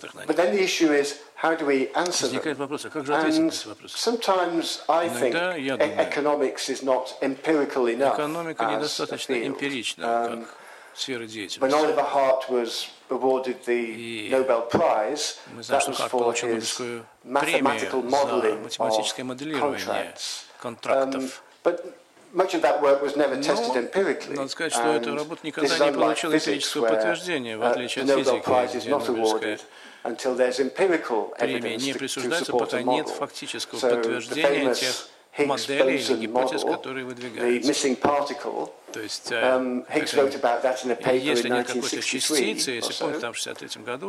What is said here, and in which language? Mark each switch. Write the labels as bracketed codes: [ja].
[en] But then the issue is, how do we answer them? And sometimes I think economics is not empirical enough as a field. [ru] сферы деятельности. И мы знаем, что Карп получил Нобелевскую премию за математическое моделирование контрактов. [en] Much of that work was never tested empirically. [ru] Надо сказать, что эта работа никогда не получила эмпирического подтверждения, в отличие от физики, где Нобелевская премия не присуждается, пока нет фактического подтверждения тех моделей или гипотез, которые выдвигаются. То есть, если нет какой-то частицы, если помните, там в 63-м году,